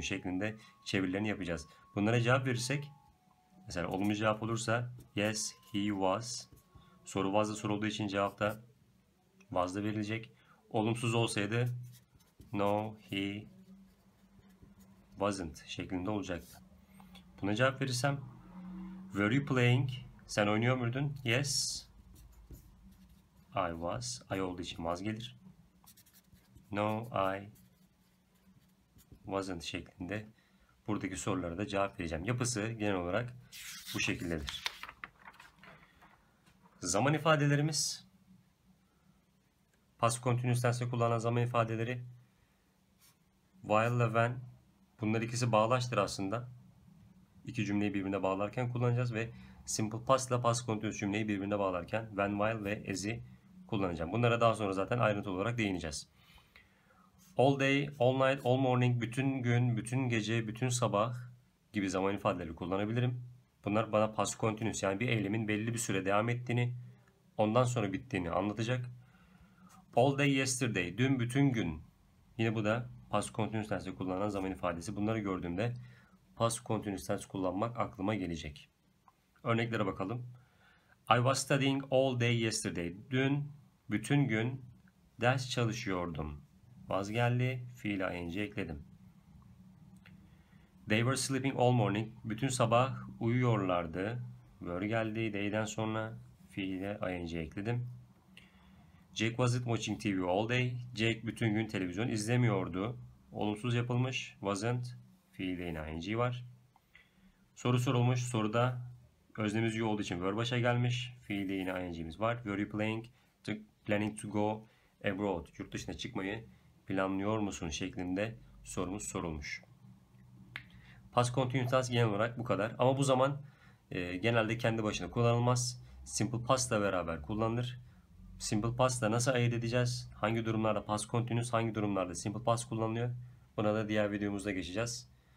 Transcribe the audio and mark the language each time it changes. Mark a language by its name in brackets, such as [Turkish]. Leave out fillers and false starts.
[Turkish] Şeklinde çevirilerini yapacağız. Bunlara cevap verirsek, mesela olumlu cevap olursa [English] yes, he was. [Turkish] Soru was'da sorulduğu için cevap da was'da verilecek. Olumsuz olsaydı [English] no, he wasn't [Turkish] şeklinde olacaktı. Buna cevap verirsem [English] were you playing? [Turkish] Sen oynuyor muydun? [English] Yes, I was. [Turkish] I olduğu için was gelir. [English] No, I wasn't [Turkish] şeklinde buradaki sorulara da cevap vereceğim. Yapısı genel olarak bu şekildedir. Zaman ifadelerimiz, past continuous'ta kullanılan zaman ifadeleri while ve when, bunlar ikisi bağlaştır aslında. İki cümleyi birbirine bağlarken kullanacağız ve simple past ile past continuous cümleyi birbirine bağlarken when, while ve as'i kullanacağım. Bunlara daha sonra zaten ayrıntılı olarak değineceğiz. [English] All day, all night, all morning, [Turkish] bütün gün, bütün gece, bütün sabah gibi zaman ifadeleri kullanabilirim. Bunlar bana past continuous yani bir eylemin belli bir süre devam ettiğini, ondan sonra bittiğini anlatacak. [English] All day yesterday, [Turkish] dün bütün gün. Yine bu da past continuous tense kullanılan zaman ifadesi. Bunları gördüğümde past continuous tense kullanmak aklıma gelecek. Örneklere bakalım. [English] I was studying all day yesterday. [Turkish] Dün bütün gün ders çalışıyordum. Was geldi. Fiil ing ekledim. [English] They were sleeping all morning. [Turkish] Bütün sabah uyuyorlardı. Were geldi. They'den sonra fiile ing ekledim. [English] Jack wasn't watching TV all day. [Turkish] Jack bütün gün televizyon izlemiyordu. Olumsuz yapılmış. Wasn't fiile ing var. Soru sorulmuş. Soruda öznemiz you olduğu için were başa gelmiş. Fiile yine ing'imiz var. [English] Were you planning to go abroad? [Turkish] Yurt dışına çıkmayı planlıyor musun şeklinde sorumuz sorulmuş. Past continuous tense genel olarak bu kadar. Ama bu zaman genelde kendi başına kullanılmaz. Simple past ile beraber kullanılır. Simple past ile nasıl ayırt edeceğiz? Hangi durumlarda past continuous, hangi durumlarda simple past kullanılıyor? Buna da diğer videomuzda geçeceğiz.